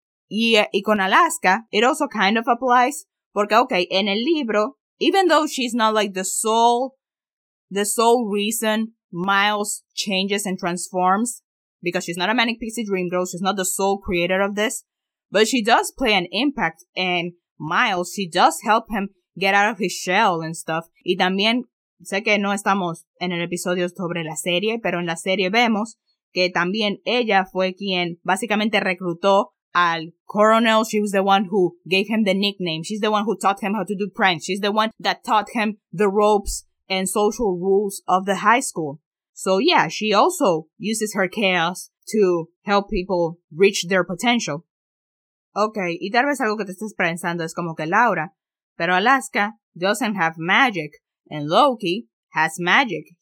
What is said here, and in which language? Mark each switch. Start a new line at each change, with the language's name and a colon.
Spanish: Y con
English: Alaska, it also kind of applies
Spanish: porque,
English: okay,
Spanish: en el libro,
English: even though she's not like the sole reason Miles changes and transforms, because she's not a manic pixie dream girl, she's not the sole creator of this, but she does play an impact in Miles. She does help him get out of his shell and stuff.
Spanish: Y también, sé que no estamos en el episodio sobre la serie, pero en la serie vemos que también ella fue quien básicamente reclutó al coronel.
English: She was the one who gave him the nickname. She's the one who taught him how to do pranks. She's the one that taught him the ropes and social rules of the high school. So yeah, she also uses her chaos to help people reach their potential.
Spanish: Okay, y tal vez algo que te estés pensando es como que Laura, pero Alaska
English: doesn't have magic, and Loki has magic.